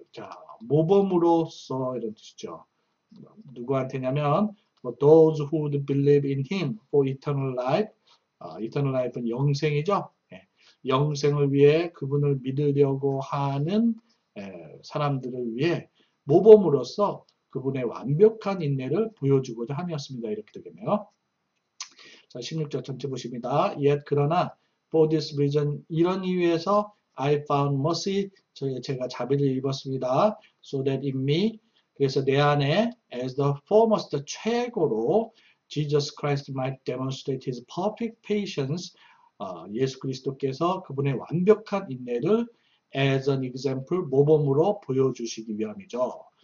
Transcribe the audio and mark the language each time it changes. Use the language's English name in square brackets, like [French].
[Korean] 자, 모범으로서 이런 뜻이죠. 누구한테냐면, [English] for those who would believe in him for eternal life. [Korean] Eternal life은 영생이죠. 영생을 위해 그분을 믿으려고 하는 사람들을 위해 모범으로서 그분의 완벽한 인내를 보여주고자 함이었습니다. 이렇게 되겠네요. 자, 16절 전체 보십니다. [English] Yet, [Korean] 그러나, [English] for this reason, [Korean] 이런 이유에서 [English] I found mercy, [Korean] 제가 자비를 입었습니다. [English] So that in me, [Korean] 그래서 내 안에 [English] as the foremost, [Korean] 최고로 [English] Jesus Christ might demonstrate his perfect patience, [Korean] 예수 그리스도께서 그분의 완벽한 인내를 [English] as an example, [Korean] 모범으로 보여주시기 위함이죠.